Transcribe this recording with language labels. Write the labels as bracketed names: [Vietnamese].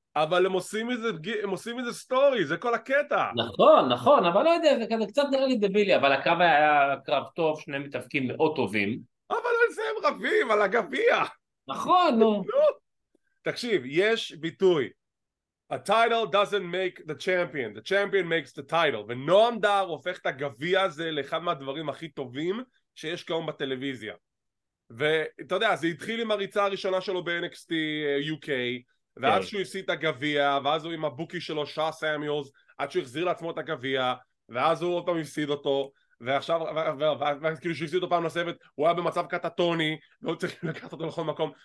[Hebrew] אבל הם עושים איזה סטורי, זה כל הקטע. נכון, אבל לא יודע, זה כזה קצת נראה לי דבילי, אבל הקרב היה קרב טוב, שני מתאפקים מאוד טובים. אבל על זה הם רבים, על הגביע. נכון, נו. תקשיב, יש ביטוי. [English] A title doesn't make the champion, the champion makes the title. [Hebrew] ונועם דאר הופך את הגביע הזה לאחד מהדברים הכי טובים שיש כיום בטלוויזיה. ואתה יודע, זה התחיל עם הריצה הראשונה שלו ב-NXT UK, ואז שהוא הפסיד את הגביע, ואז הוא עם הבוקי שלו, שאה סמיולס, עד שהוא החזיר לעצמו את הגביע, ואז הוא עוד פעם הפסיד אותו, ועכשיו, כאילו שהפסיד אותו פעם נוספת, הוא היה במצב קטטוני, והוא צריך לקחת אותו לכל מקום.